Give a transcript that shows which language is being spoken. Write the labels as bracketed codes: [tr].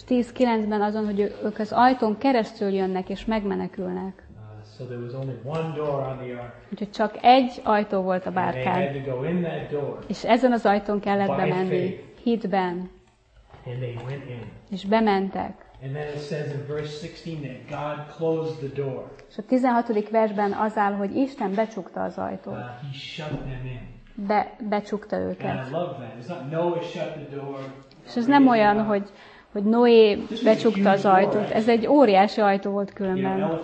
[hu] 10:9-ben azon, hogy ők az ajtón keresztül jönnek és megmenekülnek. [en] So there was only one door on the ark. [hu] Úgyhogy csak egy ajtó volt a bárkán. [en] They had to go in that door. [hu] És ezen az ajtón kellett bemenni, hitben. [en] And they went in. [hu] És bementek. [en] And then it says in verse 16 that God closed the door. [hu] És a 16. versben az áll, hogy Isten becsukta az ajtót. [en] He shut them in. [hu] Becsukta őket. [en] And I love that. It's not Noah shut the door. [hu] És ez nem olyan, hogy Noé becsukta az ajtót. Ez egy óriási ajtó volt különben.